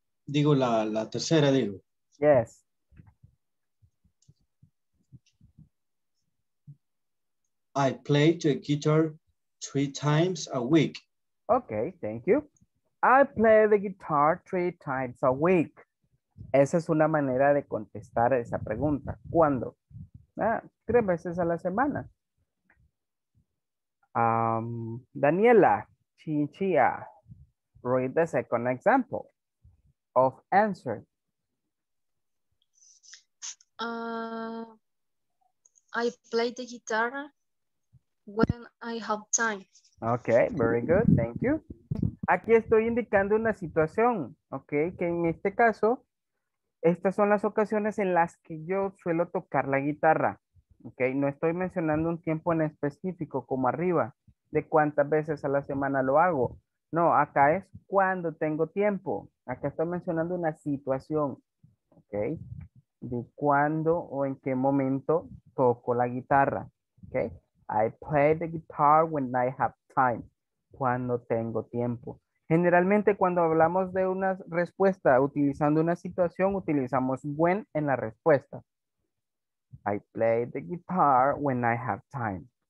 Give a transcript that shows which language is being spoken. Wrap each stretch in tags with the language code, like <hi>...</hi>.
<es>Digo, la tercera, digo.</es> <en>Yes. I play the guitar 3 times a week. Okay, thank you. I play the guitar 3 times a week.</en> <es>Esa es una manera de contestar esa pregunta. ¿Cuándo? Ah, 3 veces a la semana.</es> <en>Daniela Chinchilla, read the second example of answer. I play the guitar when I have time. Okay, very good, thank you.</en> <es>Aquí estoy indicando una situación, ok, que en este caso, estas son las ocasiones en las que yo suelo tocar la guitarra, ok, no estoy mencionando un tiempo en específico como arriba, de cuántas veces a la semana lo hago. No, acá es cuando tengo tiempo. Acá estoy mencionando una situación, ok, de cuándo o en qué momento toco la guitarra, ok.</es> <en>I play the guitar when I have time. Cuando tengo tiempo.</en> <es>Generalmente cuando hablamos de una respuesta utilizando una situación, utilizamos when en la respuesta.</es> <en>I play the guitar when I have time.</en>